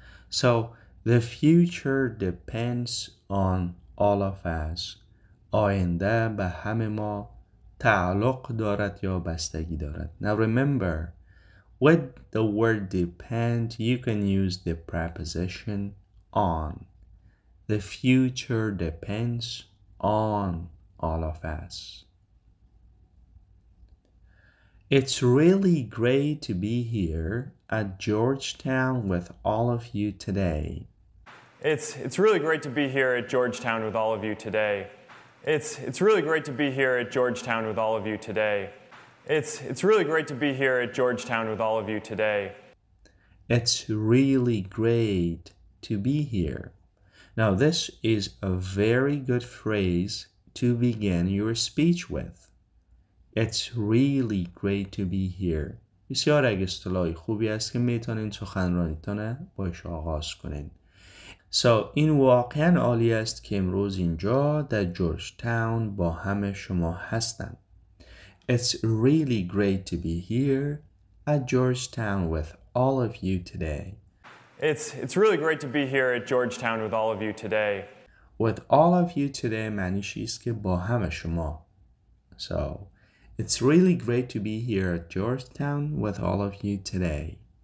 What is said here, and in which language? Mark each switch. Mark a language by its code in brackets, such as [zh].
[en] So, the future depends on all of us. [fa] آینده به همه ما تعلق دارد یا بستگی دارد. [en] Now remember, with the word depend, you can use the preposition on. The future depends on all of us. It's really great to be here at Georgetown with all of you today. It's really great to be here at Georgetown with all of you today. It's really great to be here at Georgetown with all of you today. It's really great to be here at Georgetown with all of you today. It's really great to be here. Now, this is a very good phrase to begin your speech with. It's really great to be here. [fa] بسیار اصطلاح خوبی است که میتونین سخنرانیتون باش آغاز کنین. So, این واقعا عالی است که امروز اینجا در جورجتاون با همه شما هستم. [en] It's really great to be here at Georgetown with all of you today. It's really great to be here at Georgetown with all of you today. With all of you today [fa] معنی شیست که با همه شما. [en] So, it's really great to be here at Georgetown with all of you today.